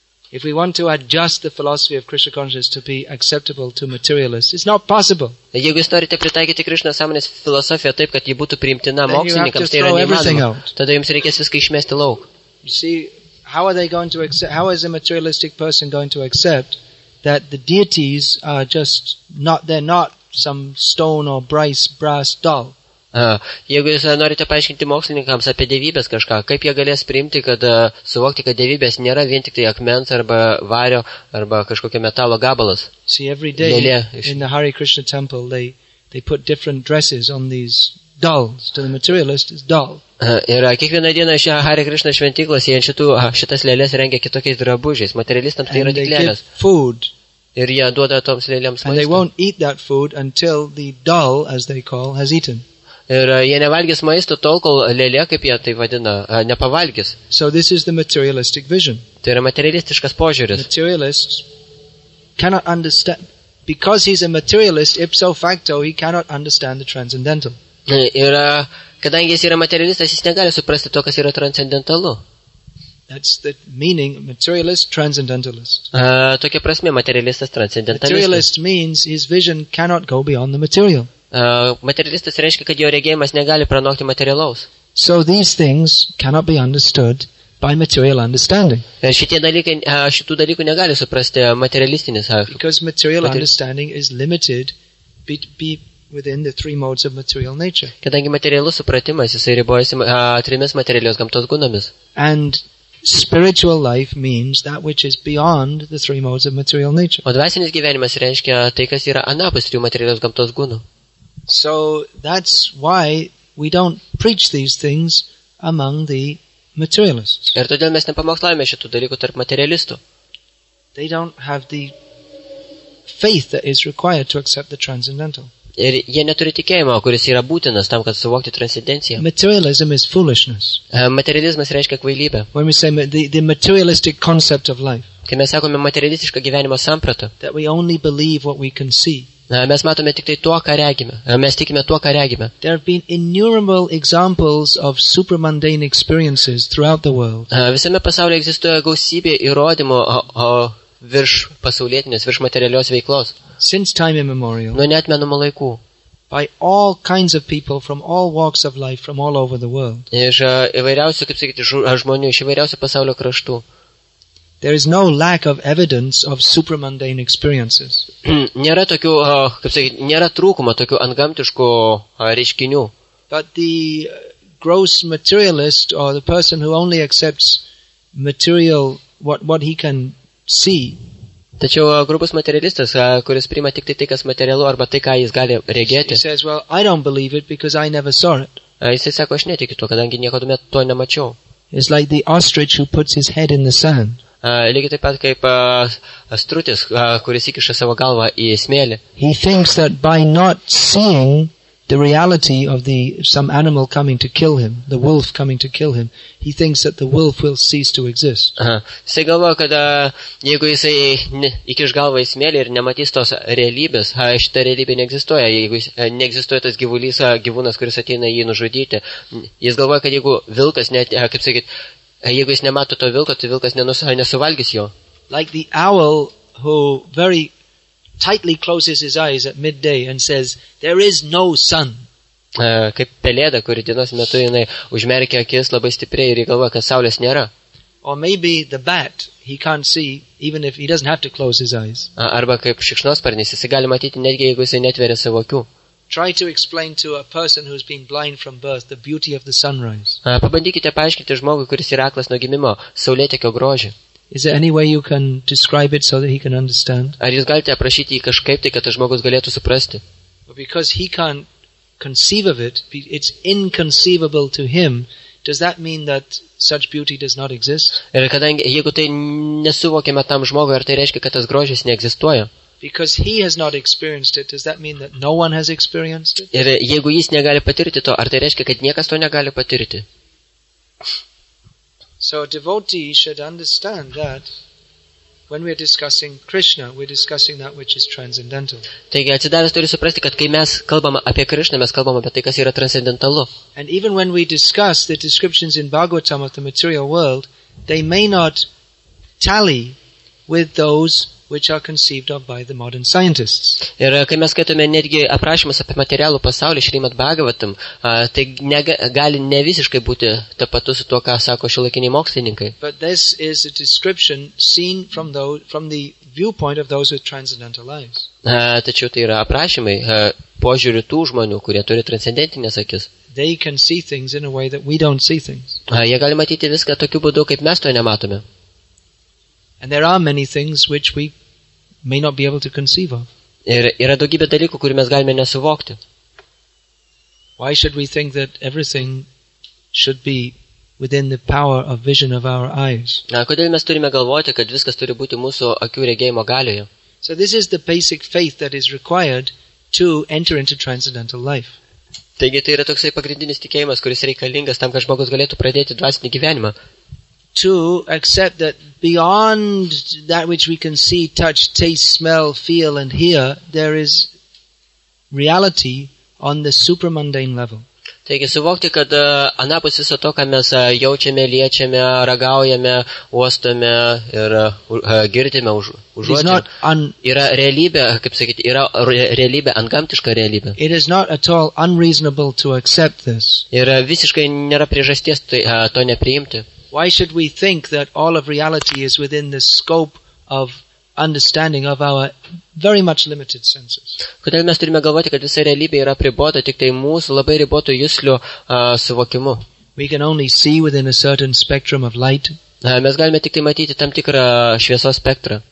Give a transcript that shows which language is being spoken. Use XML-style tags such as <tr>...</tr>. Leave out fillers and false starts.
<en>If we want to adjust the philosophy of Krishna consciousness to be acceptable to materialists, it's not possible.</en> <lt>Jeigu jūs norite pritaikyti Krishna sąmonės filosofiją taip, kad ji būtų priimtina mokslininkams, tai yra neįmanoma. Tada jums reikės viską išmesti lauk.</lt> <en>You see... How are they going to accept, how is a materialistic person going to accept that the deities are just not, they're not some stone or brass doll?</en> <lt>Jeigu jūs norite paaiškinti mokslininkams apie dievybės kažką, kaip jie galės priimti, kad suvokti, kad dievybės nėra vien tik tai akmens arba vario arba kažkokio metalo gabalas?</lt> <en>See, every day in the Hare Krishna temple they put different dresses on these dolls. To the materialist is doll.</en> <lt>Ir kiekvieną dieną šią Hare Krishna šventyklas jie šitas lėlės rengia kitokiais drabužiais. Materialistams tai yra tik lėlės. Ir jie duoda toms lėlėms maistą.</lt> <en>And they won't eat that food until the doll, as they call, has eaten.</en> <lt>Ir jie nevalgys maisto tol, kol lėlė, kaip jie tai vadina, nepavalgys.</lt> <en>So this is the materialistic vision.</en> <lt>Tai yra materialistiškas požiūris.</lt> <en>Materialists cannot understand, because he's a materialist, ipso facto, he cannot understand the transcendental.</en> <lt>Ir kadangi jis yra materialistas, jis negali suprasti to, kas yra transcendentalu.</lt> <en>That's the meaning materialist, transcendentalist.</en> <lt>Tokia prasme, materialistas, transcendentalistas.</lt> <en>Materialist means his vision cannot go beyond the material.</en> <lt>Materialistas reiškia, kad jo regėjimas negali pranokti materialaus.</lt> <en>So these things cannot be understood by material understanding.</en> <lt>Šitie dalykai, šitų dalykų negali suprasti materialistinis.</lt> <en>Because material understanding is limited within the three modes of material nature.</en> <lt>Kadangi materialus supratimas, jisai ribojasi trimis materialios gamtos gunomis.</lt> <en>And spiritual life means that which is beyond the three modes of material nature.</en> <lt>O dvasinis gyvenimas reiškia tai, kas yra anapus trijų materialios gamtos gūnų.</lt> <en>So that's why we don't preach these things among the materialists.</en> <lt>Ir todėl mes nepamokslaujame šitų dalykų tarp materialistų.</lt> <en>They don't have the faith that is required to accept the transcendental.</en> <lt>Ir jie neturi tikėjimo, kuris yra būtinas tam, kad suvokti transcendenciją.</lt> <en>Materialism is foolishness.</en> <lt>Materializmas reiškia kvailybę.</lt> <en>When we say the materialistic concept of life.</en> <lt>Kai mes sakome materialistišką gyvenimo sampratą.</lt> <en>That we only believe what we can see.</en> <lt>Mes matome tik tai to, ką regime. Mes tikime to, ką regime.</lt> <en>There have been innumerable examples of supramundane experiences throughout the world.</en> <lt>Visame pasaulyje egzistuoja gausybė įrodymų virš pasaulietinės, virš materialios veiklos.</lt> <en>Since time immemorial.</en> <lt>Nuo neatmenamų laikų.</lt> <en>By all kinds of people from all walks of life from all over the world.</en> <lt>Iš įvairiausių, kaip sakyti, žmonių, iš įvairiausių pasaulio kraštų.</lt> <en>There is no lack of evidence of supramundane experiences.</en> <lt>Nėra tokių, kaip sakyti, nėra trūkumo tokių antgamtiškų reiškinių.</lt> <en>But the gross materialist or the person who only accepts material what he can see.</en> <lt>Tačiau grubus materialistas, kuris priima tik tai, kas materialu arba tai, ką jis gali regėti.</lt> <en>He says, well, I don't believe it because I never saw it.</en> <lt>Jis sako, aš netikiu to, kadangi niekada to nemačiau.</lt> <en>It's like the ostrich who puts his head in the sand.</en> <lt>Lygiai taip pat kaip strutis, kuris įkiša savo galvą į smėlį.</lt> <en>He thinks that by not seeing the reality of the some animal coming to kill him, the wolf coming to kill him, he thinks that the wolf will cease to exist.</en> <lt>Jisai galvoja, kad jeigu jisai įkiš galvą į smėlį ir nematys tos realybės, šita realybė neegzistuoja, jeigu neegzistuoja tas gyvulys, gyvūnas, kuris ateina jį nužudyti, jis galvoja, kad jeigu vilkas net, kaip sakyt, jeigu jis nemato to vilko, tai vilkas nesuvalgys jo.</lt> <en>Like the owl who very tightly closes his eyes at midday and says, there is no sun.</en> <lt>Kaip pelėda, kuri dienos metu jinai užmerkia akis labai stipriai ir galvoja, kad saulės nėra.</lt> <en>Or maybe the bat, he can't see, even if he doesn't have to close his eyes.</en> <lt>Arba kaip šikšnosparnis, jis gali matyti netgi, jeigu jis netveria savo akių.</lt> <en>Try to explain to a person who's been blind from birth the beauty of the sunrise.</en> <lt>Pabandykite paaiškinti žmogui, kuris yra aklas nuo gimimo, saulėtekio grožį.</lt> <en>Is there any way you can describe it so that he can understand?</en> <lt>Ar jūs galite aprašyti jį kažkaip, tai kad tas žmogus galėtų suprasti?</lt> <en>Because he can't conceive of it, it's inconceivable to him. Does that mean that such beauty does not exist?</en> <lt>Ir kadangi jeigu tai nesuvokiame tam žmogui, ar tai reiškia, kad tas grožis neegzistuoja?</lt> <en>Because he has not experienced it, does that mean that no one has experienced it?</en> <lt>Ir jeigu jis negali patirti to, ar tai reiškia, kad niekas to negali patirti?</lt> <en>So a devotee should understand that when we are discussing Krishna, we are discussing that which is transcendental.</en> <lt>Taigi atsidavęs turi suprasti, kad kai mes kalbame apie Krishna, mes kalbame apie tai, kas yra transcendentalu.</lt> <en>And even when we discuss the descriptions in Bhagavatam of the material world, they may not tally with those which are conceived of by the modern scientists.</en> <lt>Ir kai mes skaitome netgi aprašymus apie materialų pasaulį Šrimad Bhagavatam, tai gali nevisiškai būti tapatu su tuo, ką sako šiuolaikiniai mokslininkai.</lt> <en>But this is a description seen from the viewpoint of those with transcendental lives.</en> <lt>Tačiau tai yra aprašymai požiūrių tų žmonių, kurie turi transcendentinės akis.</lt> <en>They can see things in a way that we don't see things.</en> <lt>Jie gali matyti viską tokiu būdu, kaip mes to nematome.</lt> <en>And there are many things which we may not be able to conceive of.</en> <lt>Ir yra daugybė dalykų, kurių mes galime nesuvokti.</lt> <en>Why should we think that everything should be within the power of vision of our eyes?</en> <lt>Na, kodėl mes turime galvoti, kad viskas turi būti mūsų akių regėjimo galioje?</lt> <en>So this is the basic faith that is required to enter into transcendental life.</en> <lt>Taigi tai yra toksai pagrindinis tikėjimas, kuris reikalingas tam, kad žmogus galėtų pradėti dvasinį gyvenimą.</lt> <en>To accept that beyond that which we can see, touch, taste, smell, feel and hear, there is reality on the supramundane level.</en> <lt>Taigi suvokti, kad anapus viso to, ką mes jaučiame, liečiame, ragaujame, uostame ir girdime, užuodžiame, yra realybė, kaip sakyti, yra realybė, antgamtiška realybė.</lt> <en>It is not at all unreasonable to accept this.</en> <lt>Ir visiškai nėra priežasties to nepriimti.</lt> <en>Why should we think that all of reality is within the scope of understanding of our very much limited senses?</en> <lt>Kodėl mes turime galvoti, kad visa realybė yra apribota tik tai mūsų labai ribotų juslių suvokimu?</lt> <en>We can only see within a certain spectrum of light.</en> <lt>Mes galime tik tai matyti tam tikrą šviesos spektrą.</lt>